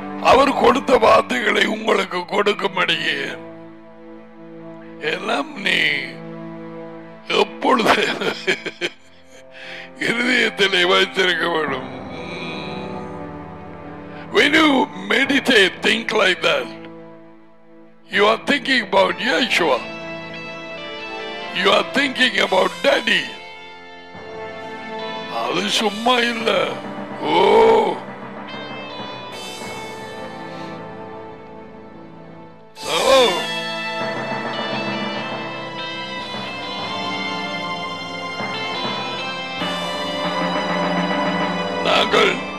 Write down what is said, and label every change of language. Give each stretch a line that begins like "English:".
Tamil: அவர் கொடுத்த வார்த்தைகளை உங்களுக்கு கொடுக்கும்படியே எல்லாம் நீ எப்பொழுது இதயத்திலே வைத்திருக்க வேண்டும்.
English: When you meditate, think like that, you are thinking about Yeshua. You are thinking about Daddy.
Tamil: அது சும்மா இல்ல. ஓ, நாங்கள்